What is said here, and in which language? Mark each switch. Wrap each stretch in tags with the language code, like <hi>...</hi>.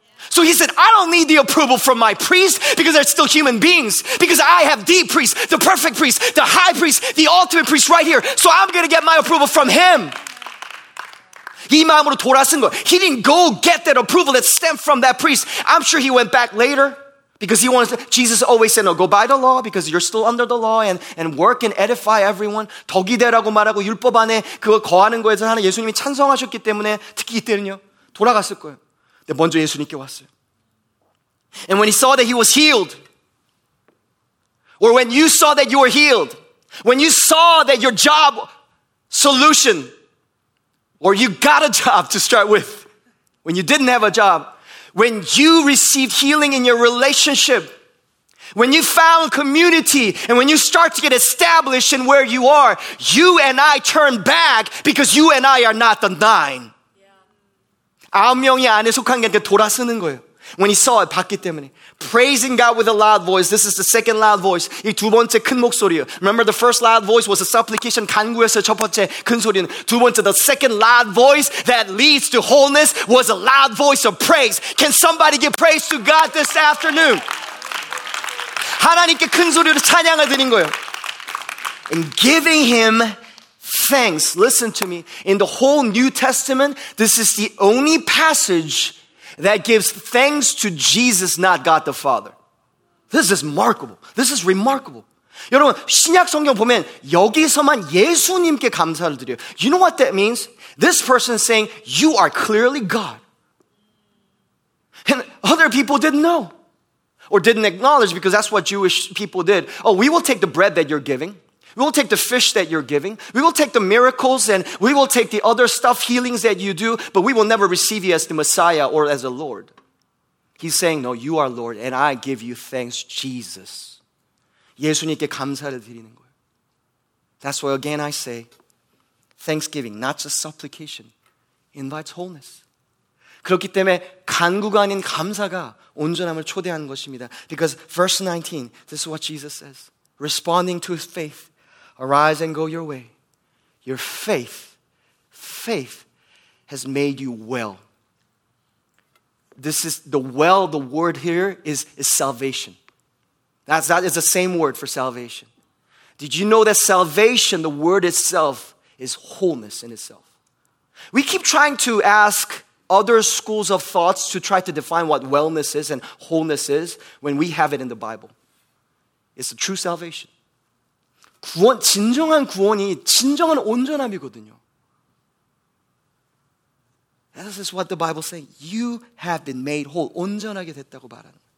<en>So he said, I don't need the approval from my priest because they're still human beings, because I have the priest, the perfect priest, the high priest, the ultimate priest right here. So I'm going to get my approval from him.</en> <ko>이 마음으로 돌아선 거.</ko> <en>He didn't go get that approval that stemmed from that priest. I'm sure he went back later because he wanted to. Jesus always said, no, go by the law because you're still under the law and work and edify everyone.</en> <ko>덕이 되라고 말하고 율법 안에 그거 거하는 거에서 하나 예수님이 찬성하셨기 때문에 특히 이때는요. 돌아갔을 거예요. 근데 먼저 예수님께 왔어요.</ko> <en>And when he saw that he was healed, or when you saw that you were healed, when you saw that your job solution, or you got a job to start with, when you didn't have a job, when you received healing in your relationship, when you found community, and when you start to get established in where you are, you and I turn back because you and I are not the nine.</en> <ko>아홉 명이 안에 속한 게 돌아서는 거예요.</ko> <en>When he saw it,</en> <ko>봤기 때문에.</ko> <en>Praising God with a loud voice. This is the second loud voice.</en> <ko>이 두 번째 큰 목소리요.</ko> <en>Remember the first loud voice was a supplication,</en> <ko>간구였어요. 첫 번째 큰 소리는. 두 번째,</ko> <en>the second loud voice that leads to wholeness was a loud voice of praise. Can somebody give praise to God this afternoon?</en> <ko>하나님께 큰 소리로 찬양을 드린 거예요.</ko> <en>And giving him thanks. Listen to me. In the whole New Testament, this is the only passage that gives thanks to Jesus, not God the Father. This is remarkable. This is remarkable.</en> <ko>여러분, 신약 성경 보면 여기서만 예수님께 감사를 드려요.</ko> <en>You know what that means? This person is saying, you are clearly God. And other people didn't know or didn't acknowledge, because that's what Jewish people did. Oh, we will take the bread that you're giving. We will take the fish that you're giving. We will take the miracles and we will take the other stuff, healings that you do, but we will never receive you as the Messiah or as a Lord. He's saying, no, you are Lord and I give you thanks, Jesus.</en> <ko>예수님께 감사를 드리는 거예요.</ko> <en>That's why again I say, thanksgiving, not just supplication, invites wholeness.</en> <ko>그렇기 때문에 간구가 아닌 감사가 온전함을 초대하는 것입니다.</ko> <en>Because verse 19, this is what Jesus says, responding to his faith, arise and go your way. Your faith has made you well. This is the well, the word here is salvation. That is the same word for salvation. Did you know that salvation, the word itself, is wholeness in itself? We keep trying to ask other schools of thoughts to try to define what wellness is and wholeness is when we have it in the Bible. It's a true salvation.</en> <ko>구원, 진정한 구원이 진정한 온전함이거든요.</ko> <en>This is what the Bible says. You have been made whole.</en> <ko>온전하게 됐다고 말하는.</ko>